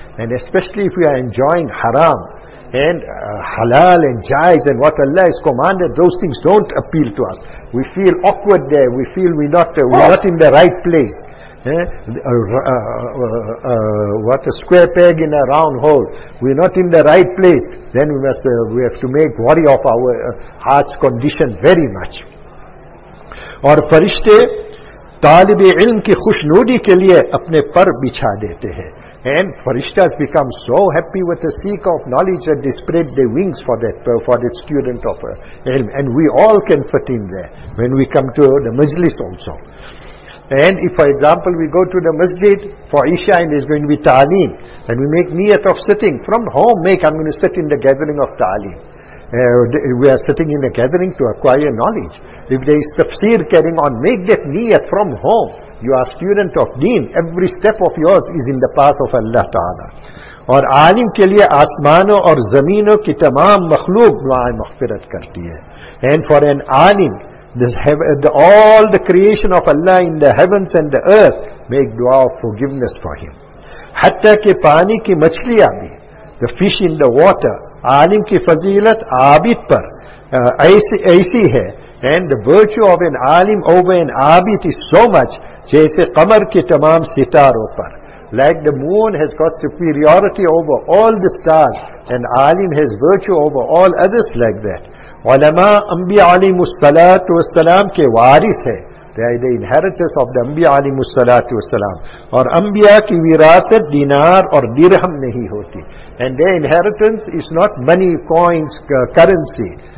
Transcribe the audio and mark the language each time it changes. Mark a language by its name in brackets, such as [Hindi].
[English] And especially if we are enjoying haram and halal and jais and what Allah has commanded, those things don't appeal to us. We feel awkward there. We feel we're not in the right place. what a square peg in a round hole. We are not in the right place. Then we must we have to make worry of our heart's condition very much. [Urdu] اور فرشتے طالب علم کی خوشنودی کے لیے اپنے پر بچھا دیتے ہیں. [English] And فرشتہ become so happy with the seek of knowledge that they spread their wings for that student of علم. And we all can fit in there when we come to the majlis also. And if, for example, we go to the masjid for Isha and there's going to be ta'aleem, and we make niyat of sitting from home, I'm going to sit in the gathering of ta'aleem. We are sitting in a gathering to acquire knowledge. If there is tafsir carrying on, make that niyat from home. You are student of deen. Every step of yours is in the path of Allah Ta'ala. [Urdu] اور عالم کے لیے آسمانوں اور زمینوں کی تمام مخلوق دعائیں مغفرت کرتی ہے. [English] And for an عالم, all the creation of Allah in the heavens and the earth make dua of forgiveness for him. [Urdu] حتیٰ کہ پانی کی مچھلیاں بھی, [English] the fish in the water, [Urdu] عالم کی فضیلت عابد پر ایسی ہے. [English] And the virtue of an عالم over an عابد is so much [Urdu] جیسے قمر کی تمام ستاروں پر. [English] Like the moon has got superiority over all the stars, and عالم has virtue over all others like that. [Urdu] علماء انبیاء علیہ الصلوۃ والسلام کے وارث ہیں. [English] They are the inheritors of the انبیاء علیہ الصلوۃ والسلام. [Urdu] اور انبیاء کی وراثت دینار اور درہم نہیں ہوتی. [English] And their inheritance is not money, coins, currency.